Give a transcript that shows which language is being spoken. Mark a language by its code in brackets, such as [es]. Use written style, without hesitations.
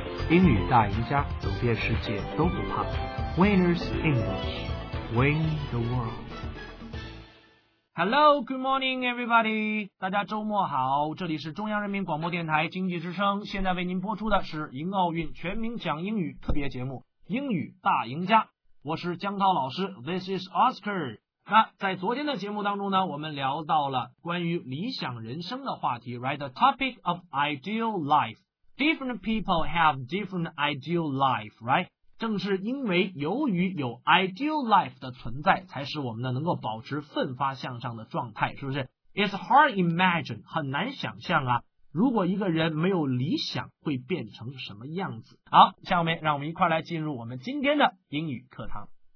[zh] 英语大赢家，走遍世界都不怕。 [en] Winners English, win the world. Hello, good morning, everybody. [zh] 大家周末好，这里是中央人民广播电台经济之声，现在为您播出的是迎奥运全民讲英语特别节目《英语大赢家》。我是江涛老师 ， [en] This is Oscar。 [zh] 那在昨天的节目当中呢，我们聊到了关于理想人生的话题 ，right? [en] The topic of ideal life. Different people have different ideal life, right? [zh] 正是因为由于有 ideal life 的存在，才使我们呢能够保持奋发向上的状态，是不是？ [en] It's hard imagine, [zh] 很难想象啊，如果一个人没有理想会变成什么样子。好，下面让我们一块来进入我们今天的英语课堂。